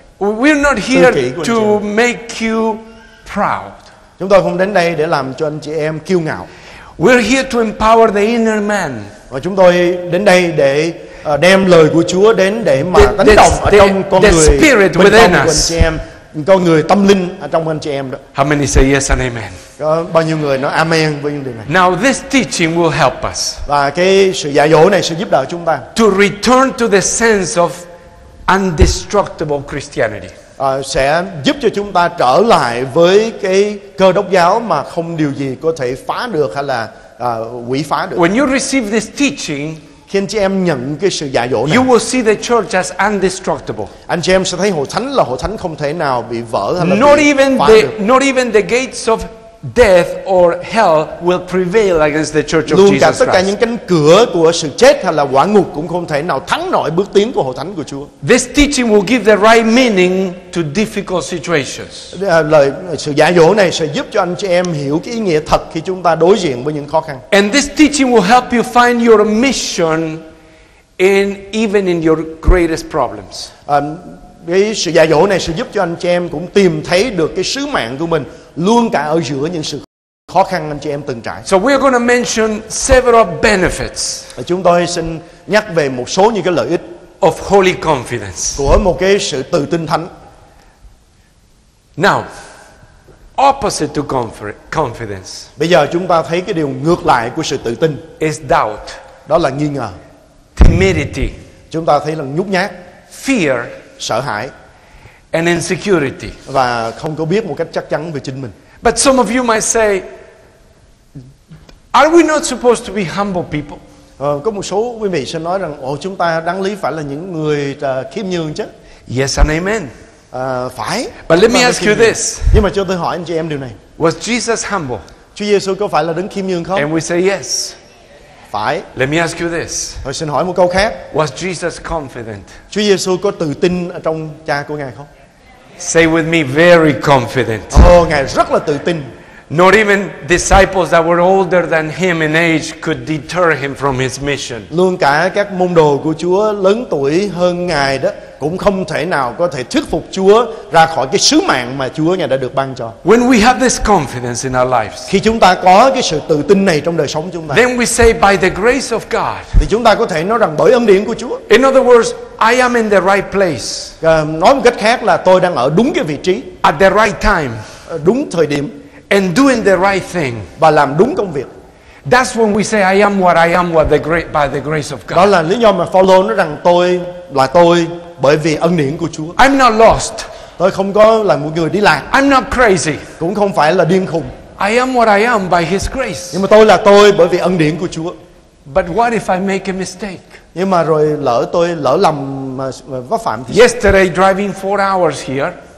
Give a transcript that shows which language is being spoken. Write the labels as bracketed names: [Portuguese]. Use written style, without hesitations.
[English] We are not here to make you proud. [Vietnamese] Chúng tôi không đến đây để làm cho anh chị em kiêu ngạo. [English] We are here to empower the inner man. [Vietnamese] Và chúng tôi đến đây để đem lời của Chúa đến để mà tấn động ở trong con người bên trong của anh chị em, con người tâm linh ở trong anh chị em đó. [English] How many say yes and amen? [Vietnamese] Có bao nhiêu người nói amen với những điều này? [English] Now this teaching will help us. [Vietnamese] Và cái sự dạy dỗ này sẽ giúp đỡ chúng ta. [English] To return to the sense of indestructible Christianity. [Vietnamese] Sẽ giúp cho chúng ta trở lại với cái Cơ Đốc giáo mà không điều gì có thể phá được hay là hủy phá được. [English] When you receive this teaching, [Vietnamese] khi anh chị em nhận cái sự dạy dỗ này, [English] you will see the church as indestructible. [Vietnamese] Anh chị em sẽ thấy hội thánh là hội thánh không thể nào bị vỡ hay là bị [English] Not even the gates of death or hell will prevail against the church of Jesus Christ. [Vietnamese] Luôn cả tất cả những cánh cửa của sự chết hay là quả ngục cũng không thể nào thắng nổi bước tiến của hội thánh của Chúa. [English] This teaching will give the right meaning to difficult situations. [Vietnamese] Lời sự dạy dỗ này sẽ giúp cho anh chị em hiểu cái ý nghĩa thật khi chúng ta đối diện với những khó khăn. [English] And this teaching will help you find your mission in even in your greatest problems. [Vietnamese] Cái sự dạy dỗ này sẽ giúp cho anh chị em cũng tìm thấy được cái sứ mạng của mình luôn cả ở giữa những sự khó khăn anh chị em từng trải. [English] So we are going to mention several benefits. [Vietnamese] Chúng tôi xin nhắc về một số những cái lợi ích [English] of holy confidence. [Vietnamese] Của một cái sự tự tin thánh. [English] Now, opposite to confidence. [Vietnamese] Bây giờ chúng ta thấy cái điều ngược lại của sự tự tin [English] is doubt. [Vietnamese] Đó là nghi ngờ. [English] Timidity. [Vietnamese] Chúng ta thấy là nhút nhát. [English] Fear. [Vietnamese] Sợ hãi. [English] And insecurity. [Vietnamese] Và không có biết một cách chắc chắn về chính mình. [English] But some of you might say, are we not supposed to be humble people? [Vietnamese] Có một số quý vị sẽ nói rằng, chúng ta đáng lý phải là những người khiêm nhường chứ. [English] Yes and amen. [Vietnamese] Phải. [English] But let me ask you this. [Vietnamese] Nhưng mà cho tôi hỏi anh chị em điều này. [English] Was Jesus humble? [Vietnamese] Chúa Giêsu có phải là đấng khiêm nhường không? [English] And we say yes. [Vietnamese] Phải. [English] Let me ask you this. [Vietnamese] Tôi xin hỏi một câu khác. [English] Was Jesus confident? [Vietnamese] Chúa Giêsu có tự tin ở trong Cha của Ngài không? [English] Say with me, very confident. [Vietnamese] Ngài rất là tự tin. [English] Not even disciples that were older than him in age could deter him from his mission. [Vietnamese] Luôn cả các môn đồ của Chúa lớn tuổi hơn Ngài đó cũng không thể nào có thể thuyết phục Chúa ra khỏi cái sứ mạng mà Chúa Ngài đã được ban cho. [English] When we have this confidence in our lives, [Vietnamese] khi chúng ta có cái sự tự tin này trong đời sống chúng ta, [English] then we say by the grace of God, [Vietnamese] thì chúng ta có thể nói rằng bởi ân điển của Chúa. [English] In other words, I am in the right place. [Vietnamese] Nói một cách khác là tôi đang ở đúng cái vị trí. [English] At the right time. [Vietnamese] Đúng thời điểm. [English] And doing the right thing. [Vietnamese] Và làm đúng công việc. [English] That's when we say I am what I am what the great by the grace of God. [Vietnamese] Đó là lý do mà Paulo nói rằng tôi là tôi bởi vì ân điển của Chúa. [English] I'm not lost. [Vietnamese] Tôi không có là một người đi lạc. [English] I'm not crazy. [Vietnamese] Cũng không phải là điên khùng. [English] I am what I am by his grace. [Vietnamese] Nhưng mà tôi là tôi bởi vì ân điển của Chúa. [English] But what if I make a mistake? [Vietnamese] Nhưng mà rồi lỡ tôi lỡ lầm mà vấp phạm thì [English] yesterday driving 4 hours here.